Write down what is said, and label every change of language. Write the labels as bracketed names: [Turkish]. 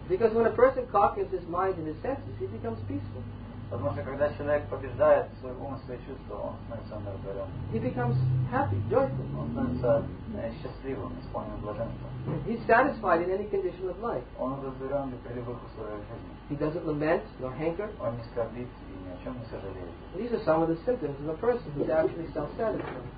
[English] Because when a person conquers his mind and his senses, he becomes peaceful. [Russian] Потому что когда человек побеждает свой ум и свои чувства, он становится умиротворен. [English] He becomes happy, joyful. [Russian] Он становится счастливым, исполненным блаженством. [English] He's satisfied in any condition of life. [Russian] Он удовлетворен при любых условиях жизни. [English] He doesn't lament nor hanker. [Russian] Он не скорбит и ни о чем не сожалеет. [English] These are some of the symptoms of a person who's actually self-satisfied.